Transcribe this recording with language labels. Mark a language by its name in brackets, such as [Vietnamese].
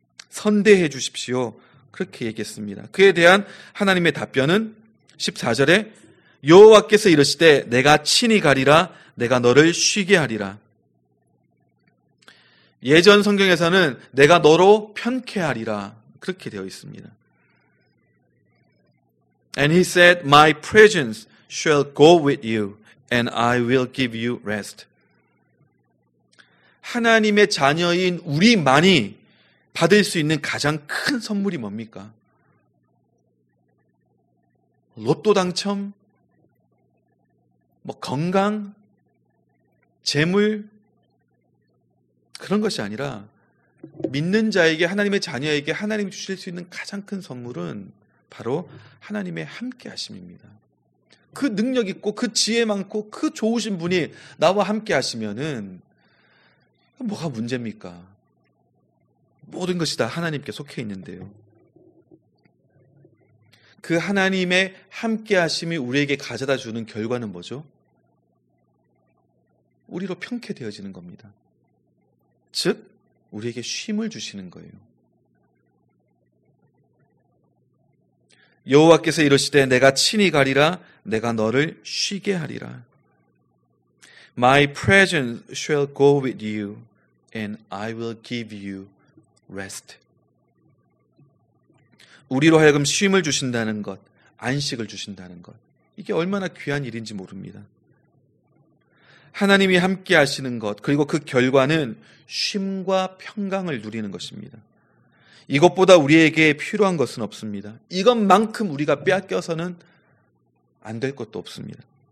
[Korean] 선대해 주십시오. 그렇게 얘기했습니다. 그에 대한 하나님의 답변은 14절에 여호와께서 이르시되 내가 친히 가리라 내가 너를 쉬게 하리라. 예전 성경에서는 내가 너로 편케 하리라 그렇게 되어 있습니다. [English] And he said, My presence shall go with you and I will give you rest. [Korean] 하나님의 자녀인 우리만이 받을 수 있는 가장 큰 선물이 뭡니까? 로또 당첨, 뭐 건강, 재물, 그런 것이 아니라 믿는 자에게, 하나님의 자녀에게 하나님이 주실 수 있는 가장 큰 선물은 바로 하나님의 함께 하심입니다. 그 능력 있고 그 지혜 많고 그 좋으신 분이 나와 함께 하시면은 뭐가 문제입니까? 모든 것이 다 하나님께 속해 있는데요. 그 하나님의 함께하심이 우리에게 가져다 주는 결과는 뭐죠? 우리로 편케 되어지는 겁니다. 즉, 우리에게 쉼을 주시는 거예요. 여호와께서 이르시되 내가 친히 가리라 내가 너를 쉬게 하리라. [English] My presence shall go with you and I will give you rest. [Korean] 우리로 하여금 쉼을 주신다는 것, 안식을 주신다는 것, 이게 얼마나 귀한 일인지 모릅니다. 하나님이 함께 하시는 것, 그리고 그 결과는 쉼과 평강을 누리는 것입니다. 이것보다 우리에게 필요한 것은 없습니다. 이것만큼 우리가 빼앗겨서는 안 될 것도 없습니다.